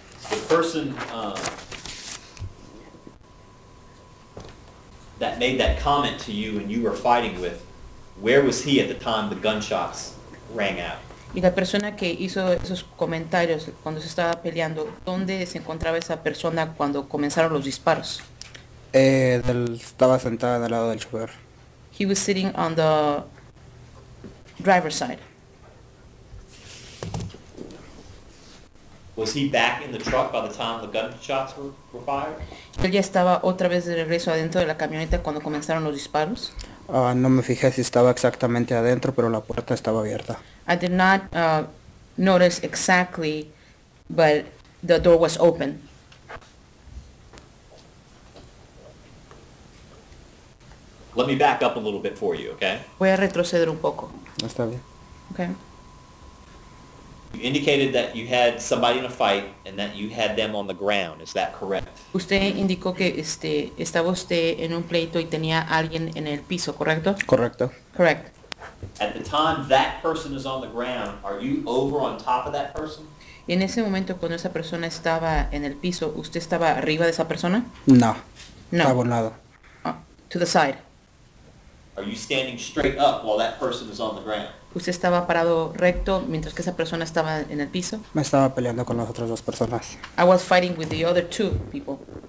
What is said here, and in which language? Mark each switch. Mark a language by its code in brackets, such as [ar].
[en] The person that made that comment to you and you were fighting with, where was he at the time the gunshots rang out? [es] Y la persona que hizo esos comentarios cuando se estaba peleando, ¿dónde se encontraba esa persona cuando comenzaron los disparos? Estaba sentada al lado del chofer. [en] He was sitting on the driver's side. Was he back in the truck by the time the gunshots were fired? [es] Él ya estaba otra vez de regreso adentro de la camioneta cuando comenzaron los disparos. No me fijé si estaba exactamente adentro, pero la puerta estaba abierta. [en] I did not notice exactly, but the door was open. Let me back up a little bit for you, okay? [es] Voy a retroceder un poco. Está bien. [en] Okay. You indicated that you had somebody in a fight and that you had them on the ground. Is that correct? [es] Usted indicó que estaba usted en un pleito y tenía alguien en el piso, ¿correcto? Correcto. [en] Correct. At the time that person is on the ground, are you over on top of that person? [es] En ese momento cuando esa persona estaba en el piso, ¿usted estaba arriba de esa persona? No. [en] No. [es] Estaba a un lado. [en] To the side. Are you standing straight up while that person is on the ground? [es] ¿Usted estaba parado recto mientras que esa persona estaba en el piso? Me estaba peleando con las otras dos personas. [en] I was fighting with the other two people.